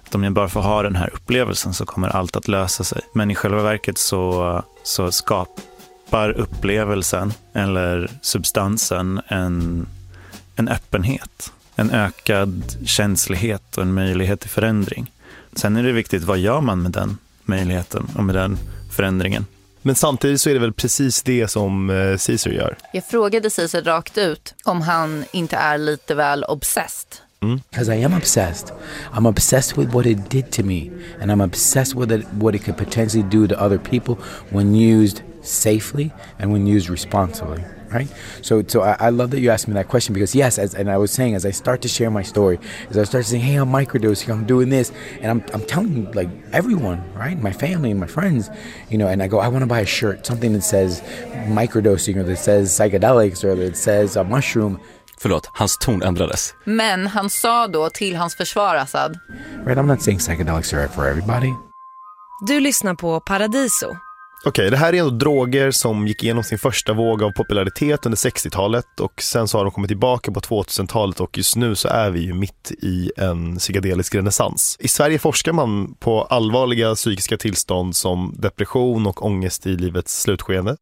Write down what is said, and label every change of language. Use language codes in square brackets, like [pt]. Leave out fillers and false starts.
[sv] Om jag bara får ha den här upplevelsen så kommer allt att lösa sig. Men i själva verket så skapar upplevelsen eller substansen en öppenhet, en ökad känslighet och en möjlighet till förändring. Sen är det viktigt, vad gör man med den möjligheten och med den förändringen? Men samtidigt så är det väl precis det som Caesar gör. Jag frågade Caesar rakt ut om han inte är lite väl obsessed. [en] Because I am obsessed. I'm obsessed with what it did to me. And I'm obsessed with what it could potentially do to other people when used safely and when used responsibly. Right? So I love that you asked me that question, because yes, as I start to share my story, as I start saying, hey, I'm microdosing, I'm doing this, and I'm telling like everyone, right? My family and my friends, you know, and I go, I want to buy a shirt, something that says microdosing, or that says psychedelics, or that says a mushroom. [sv] Förlåt, hans ton ändrades. Men han sa då till hans försvar, Assad. [en] Right, I'm not saying psychedelics are for everybody. [sv] Du lyssnar på Paradiso. Okej, det här är ändå droger som gick igenom sin första våg av popularitet under 60-talet, och sen så har de kommit tillbaka på 2000-talet, och just nu så är vi ju mitt i en psykedelisk renässans. I Sverige forskar man på allvarliga psykiska tillstånd som depression och ångest i livets slutskede.